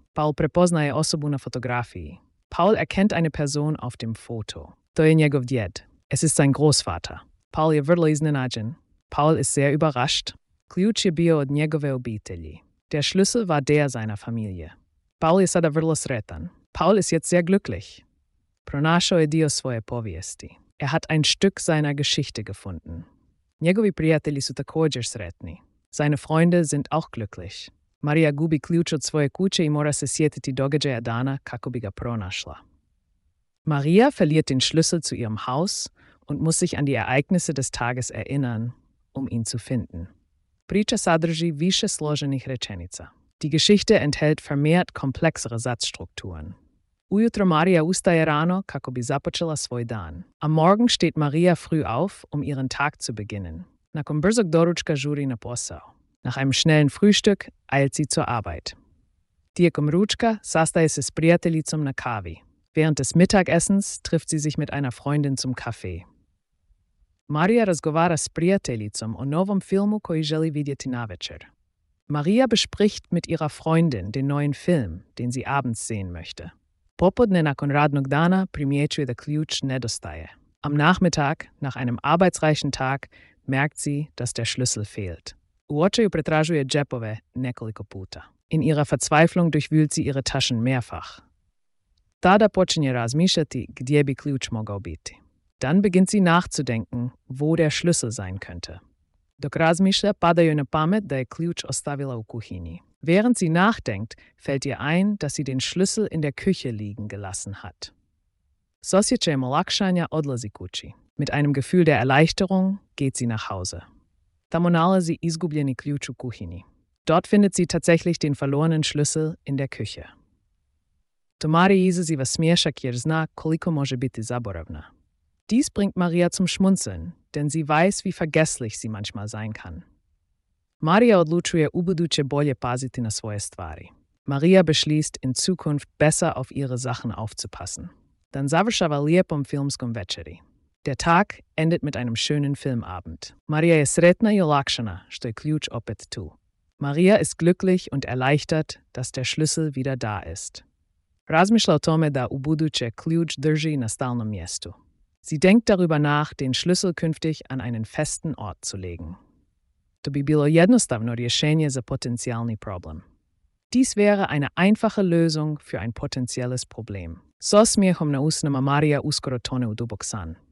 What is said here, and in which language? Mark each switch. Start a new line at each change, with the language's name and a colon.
Croatian: Paul prepoznaje osobu na fotografiji.
German: Paul erkennt eine Person auf dem Foto.
Croatian: To je njegov djed.
German: Es ist sein Großvater.
Croatian: Paul je vrlo iznenađen.
German: Paul ist sehr überrascht.
Croatian: Ključ je bio od njegove obitelji.
German: Der Schlüssel war der seiner Familie.
Croatian: Paul je sada vrlo sretan.
German: Paul ist jetzt sehr glücklich.
Croatian: Pronašao je dio svoje povijesti.
German: Er hat ein Stück seiner Geschichte gefunden.
Croatian: Njegovi prijatelji su također sretni.
German: Seine Freunde sind auch glücklich.
Croatian: Maria gubi ključ od svoje kuće i mora se sjetiti događaja dana kako bi ga pronašla.
German: Maria verliert den Schlüssel zu ihrem Haus und muss sich an die Ereignisse des Tages erinnern, um ihn zu finden.
Croatian: Priča sadrži više složenih rečenica.
German: Die Geschichte enthält vermehrt komplexere Satzstrukturen.
Croatian: Ujutro Maria ustaje rano kako bi započela svoj dan.
German: Am Morgen steht Maria früh auf, um ihren Tag zu beginnen.
Croatian: Nakon brzog doručka žuri na posao.
German: Nach einem schnellen Frühstück eilt sie zur Arbeit.
Croatian: Tijekom ručka sastaje se s prijateljicom na kavi.
German: Während des Mittagessens trifft sie sich mit einer Freundin zum Kaffee.
Croatian: Maria razgovara s prijateljicom o novom filmu koji želi vidjeti na večer.
German: Maria bespricht mit ihrer Freundin den neuen Film, den sie abends sehen möchte.
Croatian: Popodne nakon radnog dana primjećuje da ključ nedostaje.
German: Am Nachmittag, nach einem arbeitsreichen Tag, merkt sie, dass der Schlüssel fehlt.
Croatian: U očaju pretražuje džepove nekoliko puta.
German: In ihrer Verzweiflung durchwühlt sie ihre Taschen mehrfach.
Croatian: Tada počinje razmišljati gdje bi ključ mogao biti.
German: Dann beginnt sie nachzudenken, wo der Schlüssel sein könnte.
Croatian: Dok razmišlja, pada joj na pamet da je ključ ostavila u kuhini.
German: Während sie nachdenkt, fällt ihr ein, dass sie den Schlüssel in der Küche liegen gelassen hat.
Croatian: S osjećajem olakšanja odlazi kući.
German: Mit einem Gefühl der Erleichterung geht sie nach Hause.
Croatian: Tamo nalazi izgubljeni ključ u kuhini.
German: Dort findet sie tatsächlich den verlorenen Schlüssel in der Küche.
Croatian: To Mari izaziva smiješak jer zna koliko može biti zaboravna.
German: Dies bringt Maria zum Schmunzeln, denn sie weiß, wie vergesslich sie manchmal sein kann.
Croatian: Maria odlučuje ubuduće bolje paziti na svoje stvari.
German: Maria beschließt, in Zukunft besser auf ihre Sachen aufzupassen.
Croatian: Dan završava lijepom filmskom večeri.
German: Der Tag endet mit einem schönen Filmabend.
Croatian: Maria je sretna i olakšana, što je ključ opet tu.
German: Maria ist glücklich und erleichtert, dass der Schlüssel wieder da ist.
Croatian: Razmišlja o tome da ubuduće ključ drži na stalnom mjestu.
German: Sie denkt darüber nach, den Schlüssel künftig an einen festen Ort zu legen.
Croatian: To bi bilo jednostavno rješenje za potencijalni problem.
German: Dies wäre eine einfache Lösung für ein potenzielles Problem.
Croatian: S osmijehom na usnama Maria uskoro tone u dubok san.